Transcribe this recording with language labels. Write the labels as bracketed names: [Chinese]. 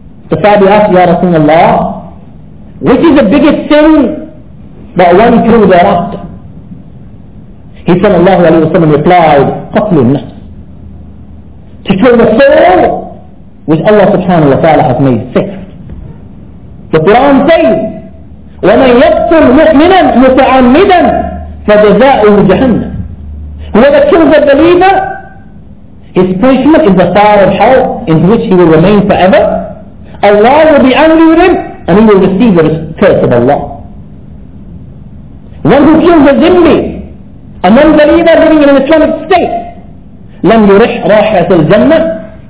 [English] The Sahabi asked, Ya Rasulullah, which is the biggest sin that one can do thereafter? He said, Allahu alayhi wa sallam replied, qatlu an-nafs. To kill the soul, which Allah subhanahu wa ta'ala has made safe. The Quran says, [Arabic] وَمَنْ يَقْتُلْ مُؤْمِنًا مُتَعَمِّدًا فَجَزَاؤُهُ جَهَنَّمُ. [English] Whoever kills a believer, his punishment is the fire of hell in which he will remain forever. Allah will be angry with him and he will receive the curse of Allah. One who kills a zimbi, a non-believer living in an atomic state, [Arabic] لَمْ يُرِحْ رَاحَةَ الْجَنَّةِ.